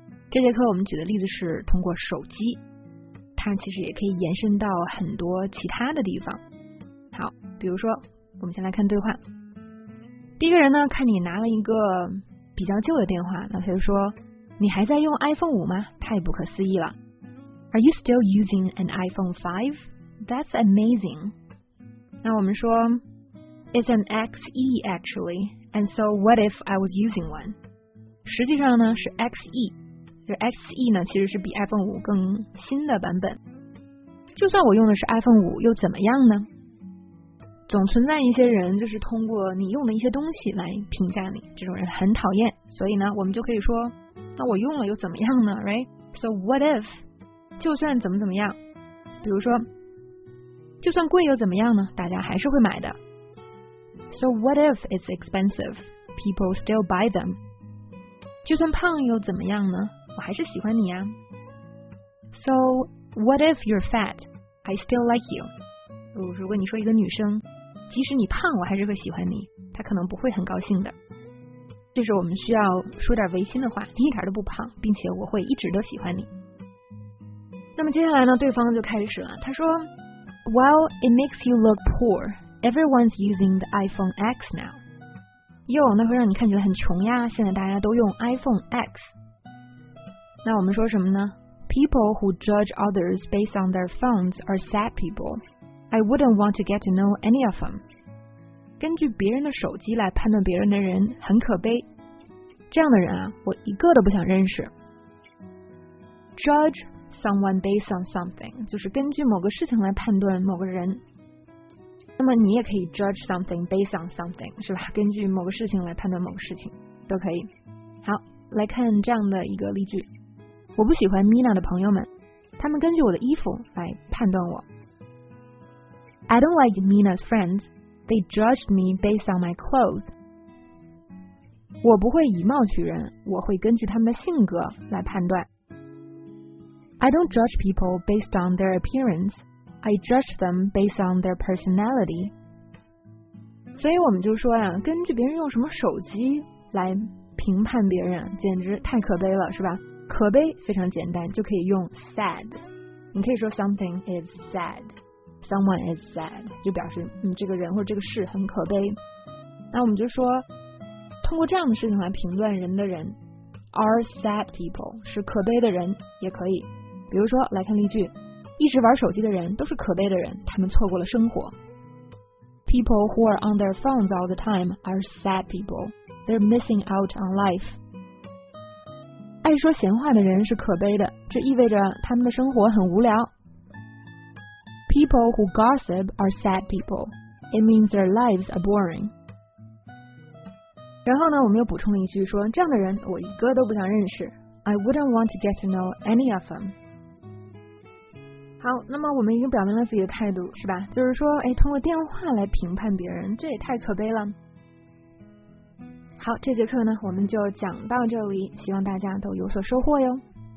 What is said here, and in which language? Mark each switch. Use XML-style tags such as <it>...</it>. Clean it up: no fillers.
<zh>这节课我们举的例子是通过手机，它其实也可以延伸到很多其他的地方。好，比如说我们先来看对话。第一个人呢，看你拿了一个比较旧的电话，那他就说，你还在用 iPhone 5吗？太不可思议了。</zh> <en>Are you still using an iPhone 5? That's amazing.</en> <zh>那我们说</zh> <en>It's an XE actually. And so what if I was using one?</en> <zh>实际上呢是 XE， 这 XE 呢其实是比 iPhone 5更新的版本。就算我用的是 iPhone 5又怎么样呢？总存在一些人就是通过你用的一些东西来评价你，这种人很讨厌，所以呢我们就可以说，那我用了又怎么样呢？</zh> <en>Right? So what if?</en> <zh>就算怎么怎么样，比如说就算贵又怎么样呢，大家还是会买的。</zh> <en>So what if it's expensive? People still buy them.</en> <zh>就算胖又怎么样呢，我还是喜欢你呀。</zh> <en>So what if you're fat? I still like you.</en> <zh>如果你说一个女生即使你胖我还是会喜欢你，她可能不会很高兴的。这是我们需要说点违心的话，你一点都不胖，并且我会一直都喜欢你。那么接下来呢，对方就开始了，他说</zh> <en>Well, it makes you look poor. Everyone's using the iPhone X now.</en> <zh>哟，那会让你看起来很穷呀，现在大家都用 iPhone X。那我们说什么呢？</zh> <en>People who judge others based on their phones are sad people. I wouldn't want to get to know any of them.</en> <zh>根据别人的手机来判断别人的人很可悲，这样的人啊，我一个都不想认识。</zh> <en>JudgeSomeone based on something</en> <zh>就是根据某个事情来判断某个人。那么你也可以</zh> <en>judge something based on something</en> <zh>是吧，根据某个事情来判断某个事情都可以。好，来看这样的一个例句。我不喜欢 Mina 的朋友们，他们根据我的衣服来判断我。</zh> <en>I don't like Mina's friends. They judged me based on my clothes.</en> <zh>我不会以貌取人，我会根据他们的性格来判断。</zh> <en>I don't judge people based on their appearance. I judge them based on their personality.</en> <zh>所以我们就说呀，根据别人用什么手机来评判别人，简直太可悲了，是吧？可悲非常简单，就可以用 sad. 你可以说</zh> <en>something is sad. Someone is sad.</en> <zh>就表示你这个人或者这个事很可悲。那我们就说，通过这样的事情来评断人的人</zh> <en>are sad people.</en> <zh>是可悲的人也可以。比如说来看例句，一直玩手机的人都是可悲的人，他们错过了生活。</zh> <en>People who are on their phones all the time are sad people. They're missing out on life.</en> <zh>爱说闲话的人是可悲的，这意味着他们的生活很无聊。</zh> <en>People who gossip are sad people. It means their lives are boring.</en> <zh>然后呢，我们又补充了一句说，这样的人我一个都不想认识。</zh> <en>I wouldn't want to get to know any of them.</en> <zh>好，那么我们已经表明了自己的态度，是吧？就是说，哎，通过电话来评判别人，这也太可悲了。好，这节课呢，我们就讲到这里，希望大家都有所收获哟。</zh>